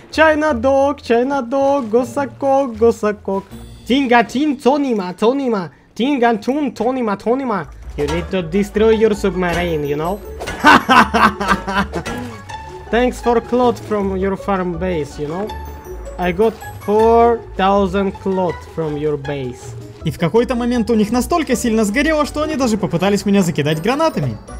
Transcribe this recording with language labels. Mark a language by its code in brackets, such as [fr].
[en] Чайна дог, госакок, госакок. Тинга тин тонима, тонима. Тинга тун тонима, тонима. You need to destroy your submarine, you know? Thanks for cloth from your farm base, you know? I got 4000 cloth from your base. [ru] И в какой-то момент у них настолько сильно сгорело, что они даже попытались меня закидать гранатами.